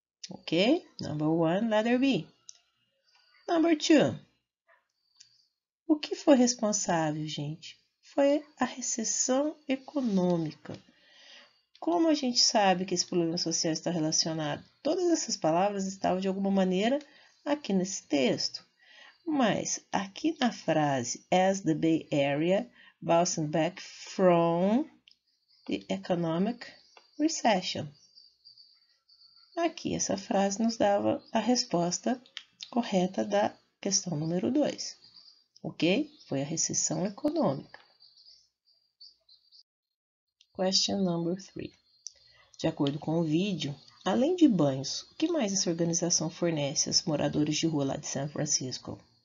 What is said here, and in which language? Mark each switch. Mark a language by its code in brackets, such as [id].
[en] Ok? Number one, letter B. Number two. [pt] O que foi responsável, gente? Foi a recessão econômica. Como a gente sabe que esse problema social está relacionado? Todas essas palavras estavam de alguma maneira aqui nesse texto. Mas aqui na frase, [en] as the Bay Area bouncing back from the economic recession. [pt] Aqui essa frase nos dava a resposta correta da questão número 2. Ok? Foi a recessão econômica. [en] Question number 3. [pt] De acordo com o vídeo, além de banhos, o que mais essa organização fornece aos moradores de rua lá de San Francisco?